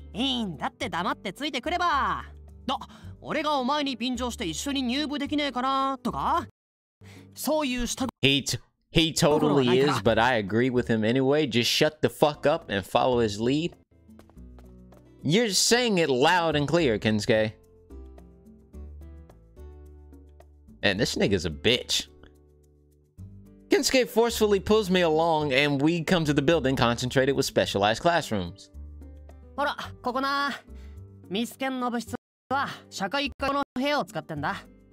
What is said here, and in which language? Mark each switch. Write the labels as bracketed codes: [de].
[ja] いいんだって黙ってついてくれば。だ、俺がお前に便乗して一緒に入部できねえかなとか。そういう下。 [en] He totally is, but I agree with him anyway. Just shut the fuck up and follow his lead. You're saying it loud and clear, Kensuke. Man, this nigga's a bitch. Kensuke forcefully pulls me along, and we come to the building concentrated with specialized classrooms. [ja] ほら、ここな。ミスケンの部室は社会科の部屋を使ってんだ。